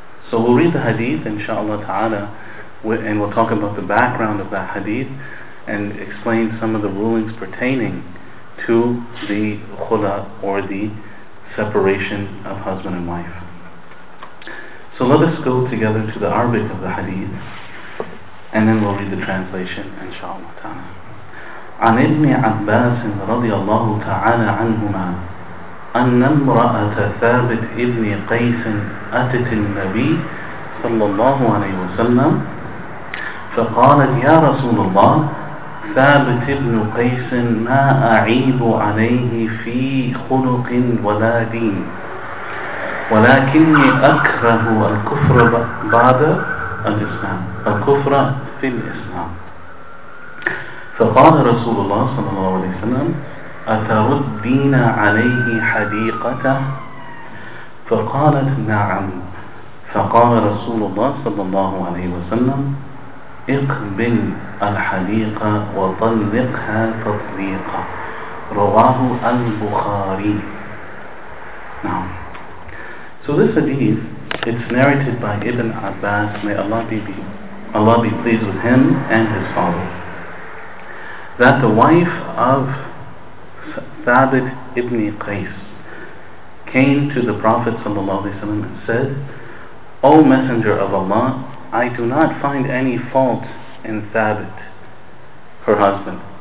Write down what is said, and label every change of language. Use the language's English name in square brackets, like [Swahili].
[English] So we'll read the hadith, inshallah ta'ala, and we'll talk about the background of that hadith and explain some of the rulings pertaining to the khula or the separation of husband and wife. So let us go together to the Arabic of the hadith and then we'll read the translation, inshallah ta'ala. [Arabic] عن ابن عباس رضي الله تعالى عنهما أن امرأة ثابت ابن قيس أتت النبي صلى الله عليه وسلم فقالت يا رسول الله, ثابت ابن قيس ما أعيب عليه في خلق ولا دين, ولكني أكره الكفر بعد الإسلام, الكفر في الإسلام. فقال رسول الله صلى الله عليه وسلم, أتردين عليه حديقته؟ فقالت نعم. فقال رسول الله صلى الله عليه وسلم, اقبل الحديقة وطلقها تطليقا. رواه البخاري. نعم. [English] So this hadith, it's narrated by Ibn Abbas, may Allah be pleased with him and his father, that the wife of Thabit ibn Qais came to the Prophet ﷺ and said, O Messenger of Allah, I do not find any fault in Thabit, her husband.